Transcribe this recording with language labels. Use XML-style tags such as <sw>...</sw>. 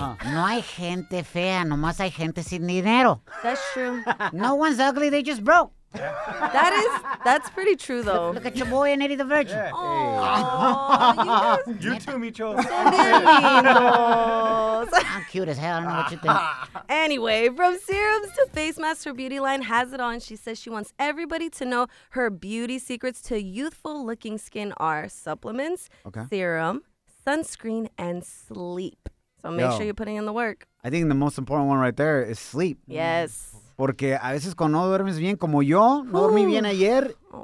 <es>No hay gente fea, nomás hay gente sin dinero.</es> <en>That's true. No one's ugly, they just broke. That's pretty true, though. Look at your boy and Eddie the Virgin. Yeah. Aww, you too, Micho. So there I'm cute as hell. I don't know what you think. Anyway, from serums to face masks, her beauty line has it on. She says she wants everybody to know her beauty secrets to youthful-looking skin are supplements, serum, sunscreen, and sleep. So make sure you're putting in the work. I think the most important one right there is sleep. Yes.</en> <es>Porque a veces cuando no duermes bien, como yo, no dormí bien ayer.</es>